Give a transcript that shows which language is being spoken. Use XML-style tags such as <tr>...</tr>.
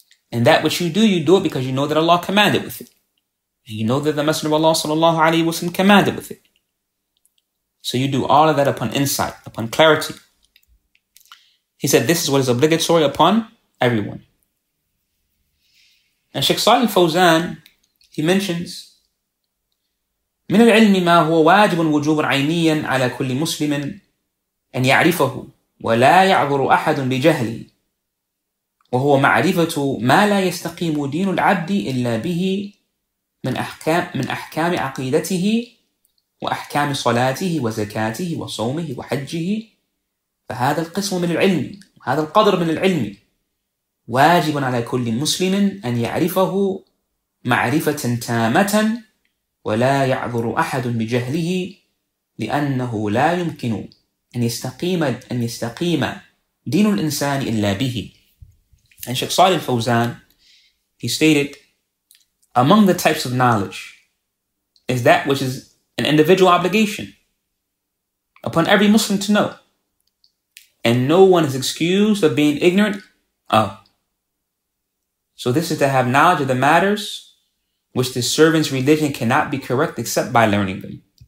<en>And that which you do it because you know that Allah commanded with it. And you know that the Messenger of Allah sallallahu alayhi wa sallam commanded with it. So you do all of that upon insight, upon clarity. He said, this is what is obligatory upon everyone. And Sheikh Salih al-Fawzan, he mentions,</en> <ar>مِنَ الْعِلْمِ مَا هُوَ وَاجِبٌ وُجُوبٌ عَيْنِيًا عَلَى كُلِّ مُسْلِمٍ أَنْ يَعْرِفَهُ وَلَا يَعْبُرُ أَحَدٌ بِجَهْلِهِ وهو معرفة ما لا يستقيم دين العبد إلا به من أحكام عقيدته وأحكام صلاته وزكاته وصومه وحجه فهذا القسم من العلم هذا القدر من العلم واجب على كل مسلم أن يعرفه معرفة تامة ولا يعذر أحد بجهله لأنه لا يمكن أن يستقيم دين الإنسان إلا به.</ar> <en>And Sheikh Salih al-Fawzan, he stated, among the types of knowledge is that which is an individual obligation upon every Muslim to know. And no one is excused of being ignorant of. So this is to have knowledge of the matters which the servant's religion cannot be correct except by learning them.</en>